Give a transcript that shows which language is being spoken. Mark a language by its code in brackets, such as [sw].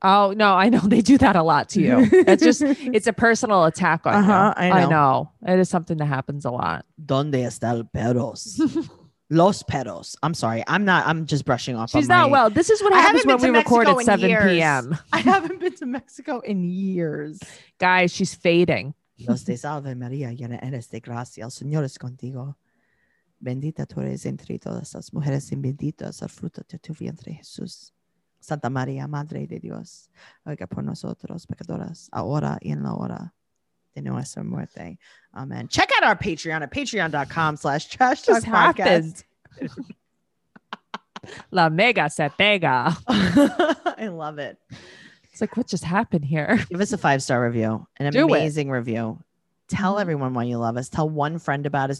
[en] Oh no, I know. They do that a lot to you. That's just, it's a personal attack on uh-huh, you. I know. It is something that happens a lot. [es] ¿Dónde están perros? Los perros. [en] I'm sorry. I'm just brushing off. She's on not my... well. This is what happens when we record at 7 p.m. I haven't been to Mexico in years. Guys, she's fading. [es] Dios te salve, María, llena eres de gracia. El Señor es contigo. Bendita tú eres entre todas las mujeres y bendito es el fruto de tu vientre, Jesús. Santa María, Madre de Dios, ruega por nosotros, pecadores, ahora y en la hora de nuestra muerte. Amen. [en] Check out our Patreon at patreon.com/trashtalkpodcast. [es] La mega se pega. [en] I love it. It's like, what just happened here? Give us a 5-star review. An Do amazing it. Review. Tell everyone why you love us. Tell one friend about us.